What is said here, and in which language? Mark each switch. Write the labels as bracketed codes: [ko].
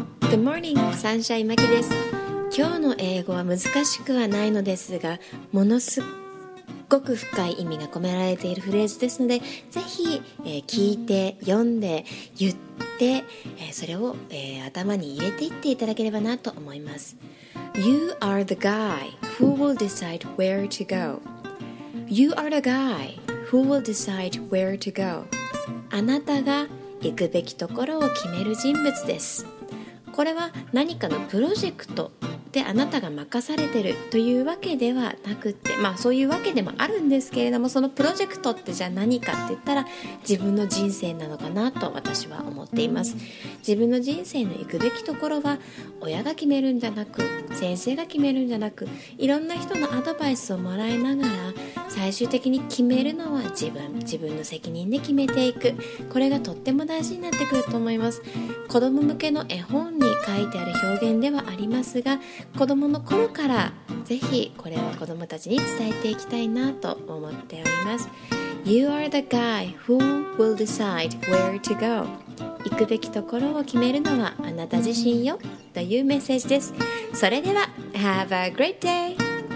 [en] Good morning, [ja] サンシャイマキです。今日の英語は難しくはないのですが、ものすごく深い意味が込められているフレーズですので、ぜひ、聞いて、読んで、言って、それを、頭に入れていっていただければなと思います。 [en] You are the guy who will decide where to go. You are the guy who will decide where to go. [ja] あなたが行くべきところを決める人物です。これは何かのプロジェクトであなたが任されてるというわけではなくって、まあそういうわけでもあるんですけれども、そのプロジェクトってじゃあ何かって言ったら自分の人生なのかなと私は思っています。自分の人生の行くべきところは親が決めるんじゃなく、先生が決めるんじゃなく、いろんな人のアドバイスをもらいながら最終的に決めるのは自分の責任で決めていく、これがとっても大事になってくると思います。子供向けの絵本に書いてある表現ではありますが、子どもの頃からぜひこれは子どもたちに伝えていきたいなと思っております。 [en] You are the guy who will decide where to go. [ja] 行くべきところを決めるのはあなた自身よというメッセージです。それでは [en] Have a great day!